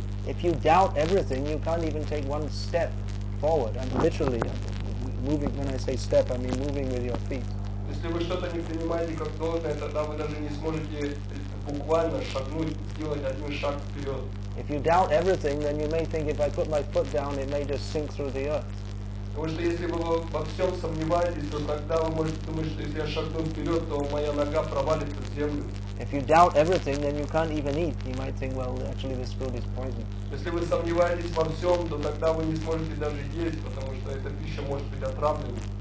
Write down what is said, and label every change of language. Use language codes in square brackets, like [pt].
[en] If you doubt everything, you can't even take one step forward. I'm literally moving, when I say step, I mean moving with your feet. [ru] Если вы что-то не принимаете как должное, тогда вы даже не сможете буквально шагнуть, сделать один шаг вперед. [en] If you doubt everything, then you may think if I put my foot down, it may just sink through the earth. [ru] Потому что если вы во всем сомневаетесь, то тогда вы можете думать, что если я шагну вперед, то моя нога провалится в землю. [en] If you doubt everything, then you can't even eat. You might think, well, actually this food is poison. [ru] Если вы сомневаетесь во всем, то тогда вы не сможете даже есть, потому что эта пища может быть отравлена.